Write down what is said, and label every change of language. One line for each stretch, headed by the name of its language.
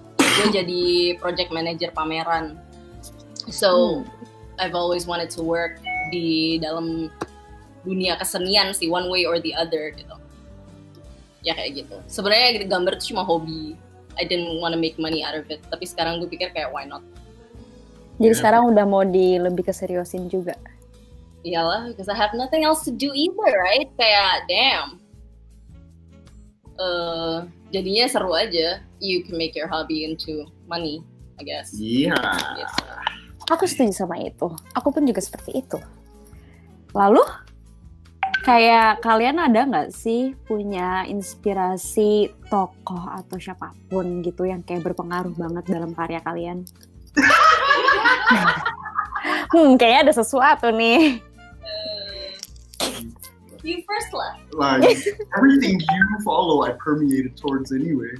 Indonesian: Gue jadi project manager pameran.
English: So, I've always wanted to work
Indonesian: di dalam dunia kesenian sih,
English: one way or the other
Indonesian: gitu. Ya kayak gitu. Sebenarnya gambar itu cuma hobi.
English: I didn't want to make money out of it.
Indonesian: Tapi sekarang gue pikir kayak
English: why not.
Indonesian: Jadi sekarang udah mau di lebih keseriusin juga. Iyalah,
English: because I have nothing else to do either, right? Kayak damn.
Indonesian: Jadinya seru aja.
English: You can make your hobby into money, I guess. Iya. Yeah.
Indonesian: Aku setuju sama itu. Aku pun juga seperti itu. Lalu kayak kalian ada nggak sih punya inspirasi tokoh atau siapapun gitu yang kayak berpengaruh banget dalam karya kalian? kayaknya ada sesuatu nih.
English: You first lah. Like everything you follow, I permeated towards anyway.